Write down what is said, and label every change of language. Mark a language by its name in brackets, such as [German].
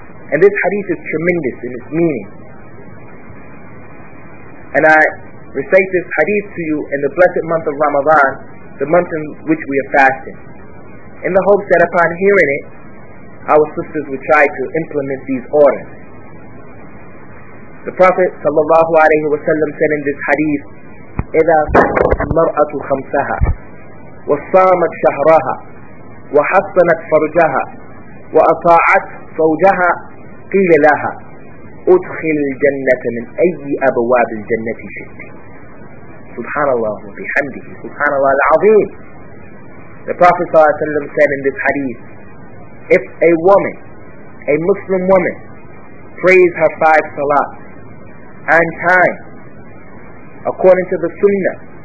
[English] And this hadith is tremendous in its meaning. And I recite this hadith to you in the blessed month of Ramadan, the month in which we are fasting, in the hopes that upon hearing it, our sisters would try to implement these orders. The Prophet sallallahu alayhi wa sallam said in this hadith, [Arabic] إِذَا صَلَّتِ الْمَرْأَةُ خَمْسَهَا وَصَامَتْ شَهْرَهَا وَحَصَّنَتْ فَرْجَهَا وَأَطَاعَتْ زَوْجَهَا قِيلَ لَهَا أُدْخِلْ الْجَنَّةَ مِنْ أَيِّ أَبْوَابِ الْجَنَّةِ شِئْتِ. Subhanallah wa bihamdihi, Subhanallah al-Azim. [English] The Prophet sallallahu alayhi wa sallam said in this hadith, if a woman, a Muslim woman, prays her five salats on time, according to the sunnah,